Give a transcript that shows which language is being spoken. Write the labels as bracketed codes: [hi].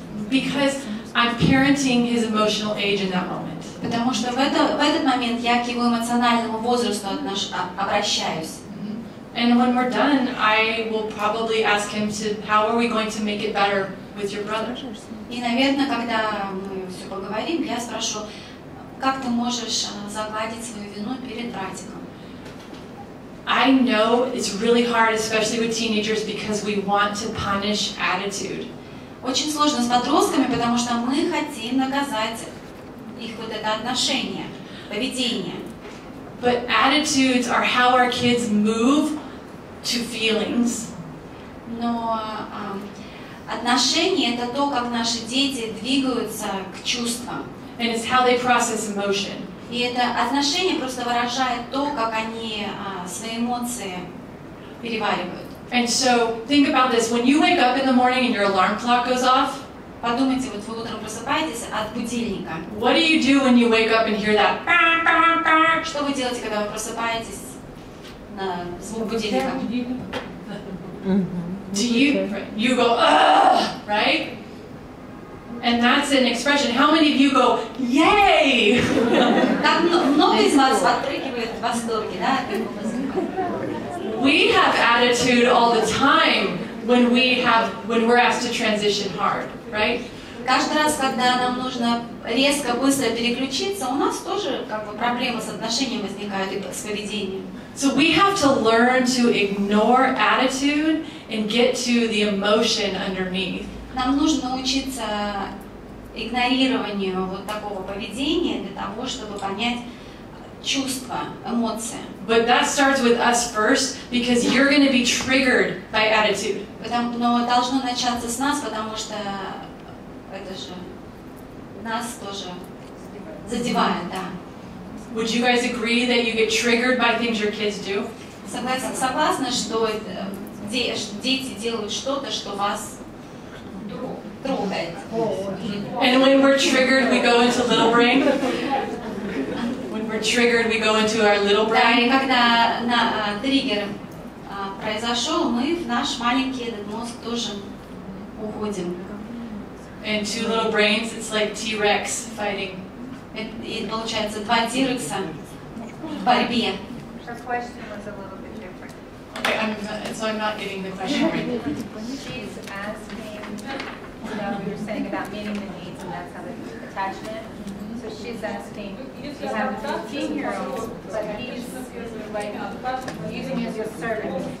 [en] Because I'm parenting his emotional age in that moment. [ru] Потому что в этот момент я к его эмоциональному возрасту обращаюсь. [en] And when we're done, I will probably ask him to, how are we going to make it better with your brother? [ru] И, наверное, когда мы все поговорим, я спрошу, как ты можешь загладить свою вину перед братиком? [en] I know it's really hard, especially with teenagers, because we want to punish attitude. [ru] Очень сложно с подростками, потому что мы хотим наказать их вот это отношение, поведение. [en] But attitudes are how our kids move to feelings. [ru] Но отношения — это то, как наши дети двигаются к чувствам. [en] And it's how they process emotion. [ru] И это отношение просто выражает то, как они свои эмоции переваривают. [en] And so think about this: when you wake up in the morning and your alarm clock goes off. [ru] Подумайте, вот вы утром просыпаетесь от будильника. [en] What do you do when you wake up and hear that? [ru] Что вы делаете, когда вы просыпаетесь на звук будильника? [en] Do you? You go, ugh, right? And that's an expression. How many of you go, yay? [ru] Так много из вас подпрыгивает в восторге, да? [en] We have attitude all the time when we're asked to transition hard. Right? [ru] Каждый раз, когда нам нужно резко, быстро переключиться, у нас тоже как бы проблемы с отношением возникают и с поведением. [en] So we have to learn to ignore attitude and get to the emotion underneath. [ru] Нам нужно учиться игнорированию вот такого поведения для того, чтобы понять чувства, эмоции. [en] But that starts with us first, because you're going to be triggered by attitude. [ru] Но должно начаться с нас, потому что это же нас тоже задевает, да. [en] Would you guys agree that you get triggered by things your kids do? [ru] Согласна, что дети делают что-то, что вас трогает. [en] And when we're triggered, we go into little brain. Triggered, we go into our little brain. [ru] Да, и когда триггер произошел, мы в наш маленький этот мозг тоже уходим. [en] And two little brains, it's like T-Rex fighting. [ru] И получается два T-Rexа в борьбе. [en] The question was a little bit different. Okay, I'm not getting the question right. She's asking, you know, we were saying about meeting the needs, and that's how the attachment. She's asking, you have a 15-year-old, but he's using you as your servant.